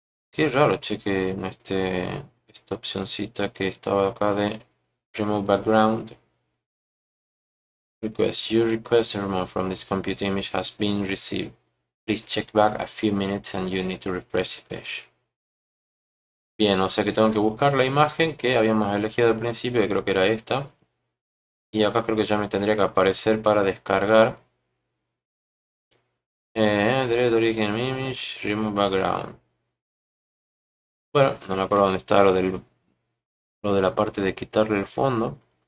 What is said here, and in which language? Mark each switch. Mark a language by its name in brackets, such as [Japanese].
[Spanish] Qué raro, che, que no esté esta opcioncita que estaba acá de remove background. [English] Request. Your request to remove from this computer image has been received. Please check back a few minutes and you need to refresh the page. [Spanish] Bien, o sea que tengo que buscar la imagen que habíamos elegido al principio, que creo que era esta. Y acá creo que ya me tendría que aparecer para descargar. [English] Dread Origin Image, Remove Background. [Spanish] Bueno, no me acuerdo dónde está lo de la parte de quitarle el fondo.